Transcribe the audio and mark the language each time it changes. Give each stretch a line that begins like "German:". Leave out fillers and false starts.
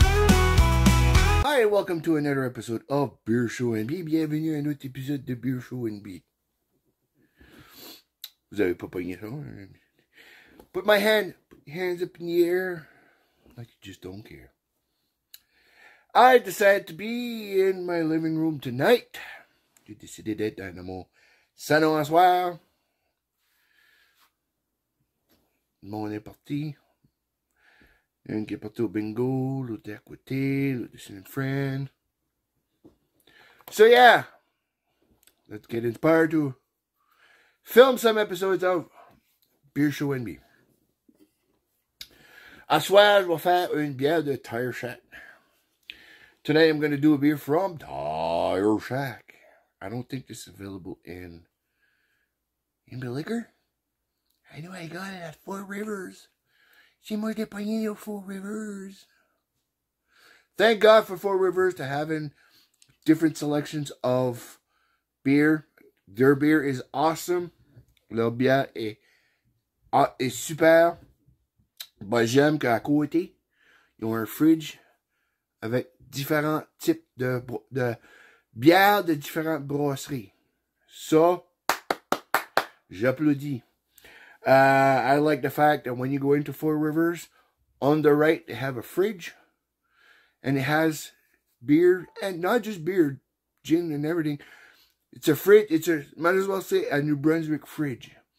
English: Hi, welcome to another episode of Beer Show and Beat.
French: Bienvenue à un autre épisode de Beer Show and Beat. Vous avez pas pogné ça?
English: Put my hand, put your hands up in the air, like you just don't care. I decided to be in my living room tonight.
French: J'ai décidé d'être dans le mot salon à soir. Mon est parti. Un qui est parti au bingo, l'autre est à côté, l'autre est un friend.
English: So yeah, let's get inspired to film some episodes of Beer Show and Me.
French: À soir, je vais faire une bière de Tire Shack.
English: Today, I'm going to do a beer from Tire Shack. I don't think this is available in the liquor. I know I got it at Four Rivers. Seymour de Pagnino, Four Rivers. Thank God for Four Rivers to having different selections of beer. Their beer is awesome.
French: Leur bière est super. Ben, j'aime qu'à côté, ils ont un fridge avec différents types de bières de différentes brasseries. So, j'applaudis.
English: I like the fact that when you go into Four Rivers, on the right, they have a fridge. And it has beer, and not just beer, gin and everything. It's a fridge, it's a, might as well say, a New Brunswick fridge.